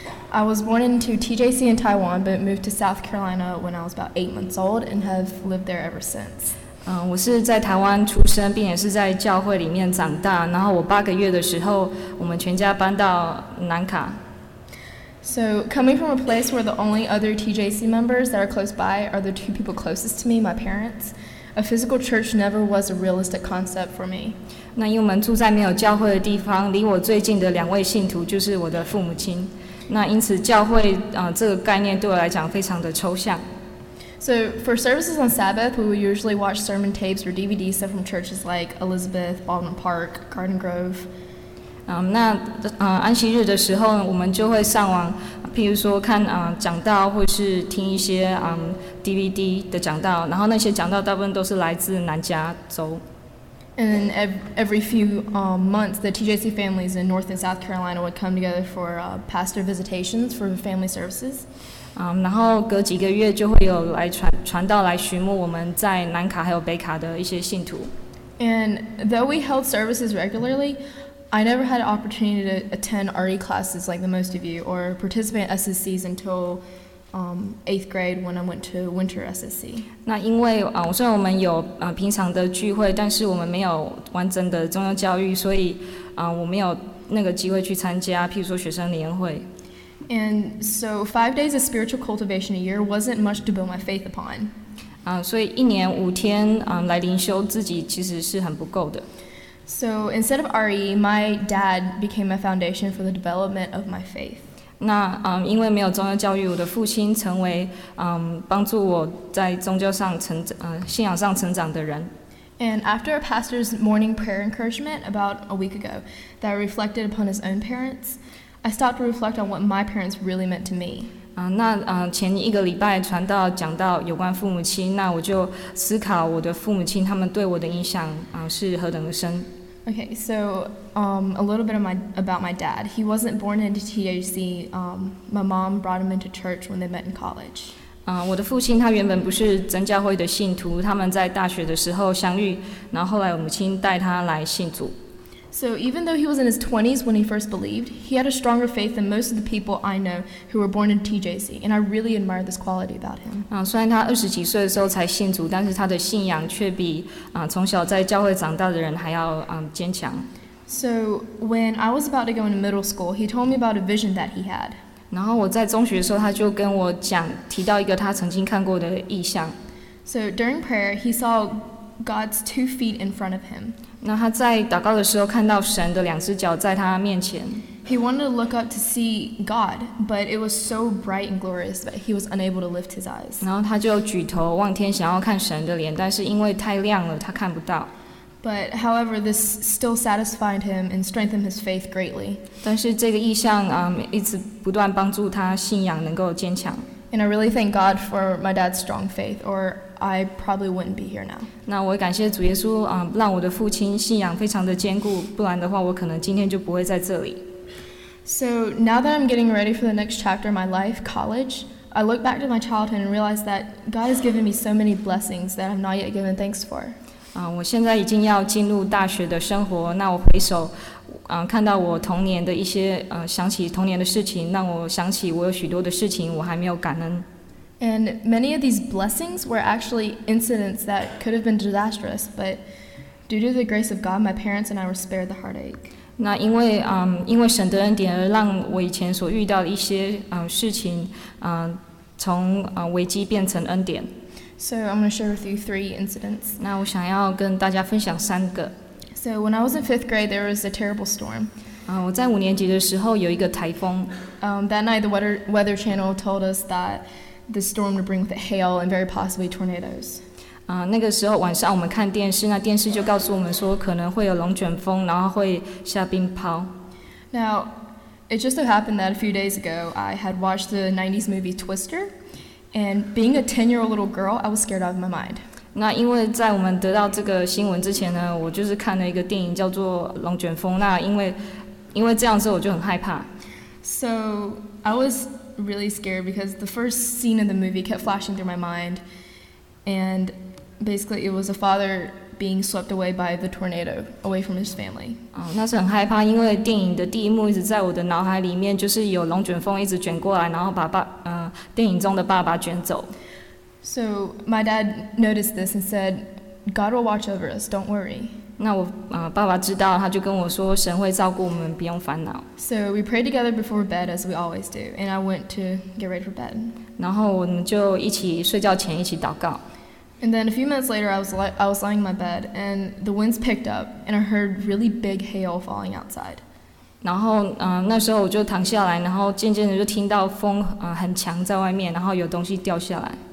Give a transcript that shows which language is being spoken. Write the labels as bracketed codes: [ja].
[en] I was born into TJC in Taiwan, but moved to South Carolina when I was about 8 months old and have lived there ever since. [zh] 我是在台湾出生，并且是在教会里面长大。然后我八个月的时候，我们全家搬到南卡。 [en] So coming from a place where the only other TJC members that are close by are the two people closest to me, my parents, a physical church never was a realistic concept for me. [zh] 那因为我们住在没有教会的地方，离我最近的两位信徒就是我的父母亲。那因此教会这个概念对我来讲非常的抽象。 [en] So for services on Sabbath, we would usually watch sermon tapes or DVDs set from churches like Elizabeth, Baldwin Park, Garden Grove. [zh] 那安息日的时候，我们就会上网，譬如说看讲道，或是听一些DVD 的讲道。然后那些讲道大部分都是来自南加州。 [en] And every few months, the TJC families in North and South Carolina would come together for pastor visitations for family services. [zh] 然后隔几个月就会有来传道来巡牧我们在南卡还有北卡的一些信徒。 [en] And though we held services regularly, I never had an opportunity to attend RE classes like the most of you or participate in SSCs until eighth grade when I went to winter SSC. [zh] 那因为虽然我们有平常的聚会，但是我们没有完整的宗教教育，所以我没有那个机会去参加，譬如说学生联会。 [en] And so 5 days of spiritual cultivation a year wasn't much to build my faith upon. [zh] 所以一年五天来灵修自己其实是很不够的。 [en] So instead of RE, my dad became a foundation for the development of my faith. [zh] 那因为没有宗教教育，我的父亲成为帮助我在宗教上成信仰上成长的人。 [en] And after a pastor's morning prayer encouragement about a week ago, that I reflected upon his own parents. I stopped to reflect on what my parents really meant to me. [zh] 那前一个礼拜传道讲到有关父母亲，那我就思考我的父母亲他们对我的影响是何等的深。 [en] Okay, so a little bit about my dad. He wasn't born into THC. My mom brought him into church when they met in college. [zh] 我的父亲他原本不是真教会的信徒，他们在大学的时候相遇，然后后来我母亲带他来信主。 [en] So even though he was in his 20s when he first believed, he had a stronger faith than most of the people I know who were born in TJC, and I really admire this quality about him. [zh] 虽然他二十几岁的时候才信主，但是他的信仰却比从小在教会长大的人还要坚强。 [en] So when I was about to go into middle school, he told me about a vision that he had. [zh] 然后我在中学的时候，他就跟我讲，提到一个他曾经看过的异象。 [en] So during prayer, he saw God's 2 feet in front of him. [zh] 那他在祷告的时候看到神的两只脚在他面前。 [en] He wanted to look up to see God, but it was so bright and glorious that he was unable to lift his eyes. [zh] 然后他就举头望天，想要看神的脸，但是因为太亮了，他看不到。 [en] But however, this still satisfied him and strengthened his faith greatly. [zh] 但是这个异象一直不断帮助他信仰能够坚强。 [en] And I really thank God for my dad's strong faith, or. I probably wouldn't be here now. [zh] 那我感谢主耶稣让我的父亲信仰非常的坚固，不然的话我可能今天就不会在这里。 [en] So now that I'm getting ready for the next chapter of my life, college, I look back to my childhood and realize that God has given me so many blessings that I've not yet given thanks for. [zh] 我现在已经要进入大学的生活，那我回首看到我童年的一些想起童年的事情，让我想起我有许多的事情我还没有感恩。 [en] And many of these blessings were actually incidents that could have been disastrous, but due to the grace of God, my parents and I were spared the heartache. [zh] 那因为神的恩典而让我以前所遇到的一些事情从危机变成恩典。 [en] So I'm going to share with you three incidents. [zh] 那我想要跟大家分享三个。 [en] So when I was in fifth grade, there was a terrible storm. [zh] 我在五年级的时候有一个台风。 [en] That night, the weather channel told us that the storm would bring with it hail and very possibly tornadoes. [zh] 那个时候晚上我们看电视，那电视就告诉我们说可能会有龙卷风，然后会下冰雹。 [en] Now, it just so happened that a few days ago, I had watched the 90s movie Twister. And being a 10-year-old little girl, I was scared out of my mind. [zh] 那因为在我们得到这个新闻之前呢，我就是看了一个电影叫做《龙卷风》。那因为这样子，我就很害怕。 [en] So I was really scared because the first scene of the movie kept flashing through my mind, and basically it was a father being swept away by the tornado, away from his family. [zh] 那是很害怕，因为电影的第一幕一直在我的脑海里面，就是有龙卷风一直卷过来，然后把爸。电影中的爸爸卷走。 [en] So my dad noticed this and said, "God will watch over us. Don't worry." [zh] 那我爸爸知道，他就跟我说，神会照顾我们，不用烦恼。 [en] So we prayed together before bed as we always do, and I went to get ready for bed. [zh] 然后我们就一起睡觉前一起祷告。 [en] And then a few minutes later, I was lying in my bed, and the winds picked up, and I heard really big hail falling outside. [zh] 然后，那时候我就躺下来，然后渐渐的就听到风，很强在外面，然后有东西掉下来。